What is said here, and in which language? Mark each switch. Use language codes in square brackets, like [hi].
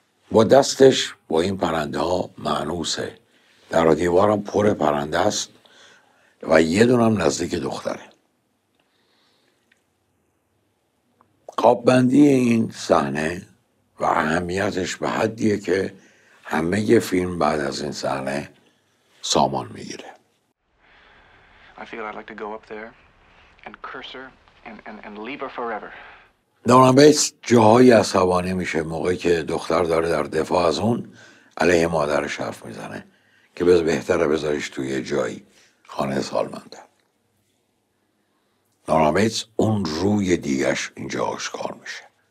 [fa] با دستش با این پرنده ها مانوسه. در دیوارم پر پرنده است و یه دونه هم نزدیک دختره. قاب بندی این صحنه و اهمیتش به حدیه که همه ی فیلم بعد از این صحنه سامان میگیره. [en] I figured I'd like to go up there and curse her and leave her forever. [fa] نورمن بیتس جاهایی عصبانی میشه موقعی که دختر داره در دفاع از اون علیه مادرش حرف میزنه که بهتره بذاریش توی جایی خانه سالمندان. نارامیتس اون روی دیگش اینجا آشکار میشه.